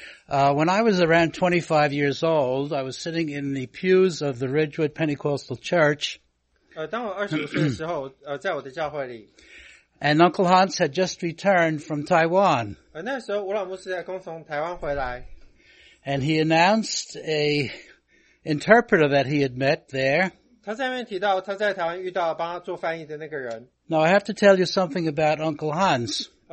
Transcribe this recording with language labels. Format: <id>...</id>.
<en>When I was around 25 years old, I was sitting in the pews of the Ridgewood Pentecostal Church. And Uncle Hans had just returned from Taiwan.</en> <zh>那时候吴老牧师才刚从台湾回来。</zh> <en>And he announced a interpreter that he had met there. Now I have to tell you something about Uncle Hans.</en>